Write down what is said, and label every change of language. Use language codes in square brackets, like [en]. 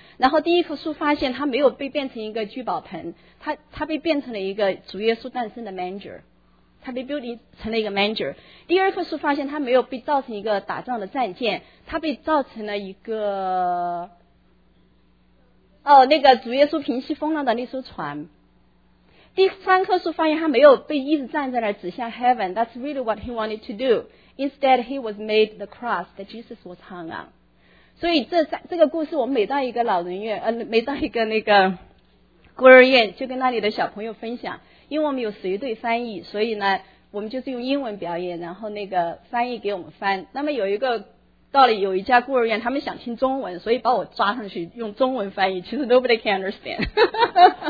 [zh] 然后第一棵树发现他没有被变成一个聚宝盆，他被变成了一个主耶稣诞生的 manger， 他被 building 成了一个 manger。第二棵树发现他没有被造成一个打仗的战舰，他被造成了一个那个主耶稣平息风浪的那艘船。第三棵树发现他没有被一直站在那儿指向 [en] heaven， that's really what he wanted to do， instead he was made the cross that Jesus was hung on。 [zh] 所以这个故事我们每到一个老人院每到一个那个孤儿院就跟那里的小朋友分享，因为我们有随队翻译，所以呢我们就是用英文表演，然后那个翻译给我们翻。那么有一个到了有一家孤儿院，他们想听中文，所以把我抓上去用中文翻译，其实 [en] nobody can understand。